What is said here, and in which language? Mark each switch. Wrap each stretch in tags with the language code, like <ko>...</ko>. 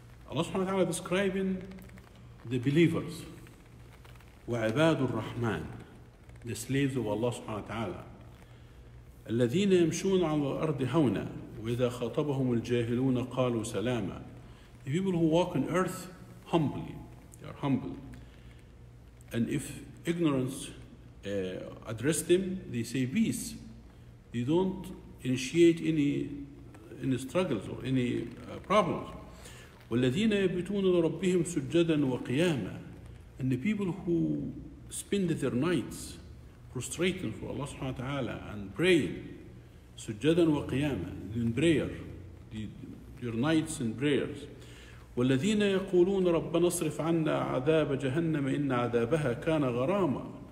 <en>Allah subhanahu wa ta'ala describing the believers,</en> <ar>وَعِبَادُ الرَّحْمَنِ,</ar> <en>the slaves of Allah subhanahu wa ta'ala,</en> <ar>الَّذِينَ يَمْشُونَ عَلَى الْأَرْضِ هَوْنًا وَإِذَا خَطَبَهُمُ الْجَاهِلُونَ قَالُوا سَلَامًا.</ar> <en>The people who walk on earth humbly, they are humble. And if ignorance address them, they say peace. They don't initiate any struggles or any problems.</en> <ar>والذين يبيتون لربهم سجدا وقياما.</ar> <en>And the people who spend their nights prostrating for Allah subhanahu wa ta'ala and praying</en> <ar>سجدا وقياما</ar> <en>in prayer, your nights in prayers.</en> <ar>والذين يقولون ربنا اصرف عنا عذاب جهنم إن عذابها كان غراما.</ar>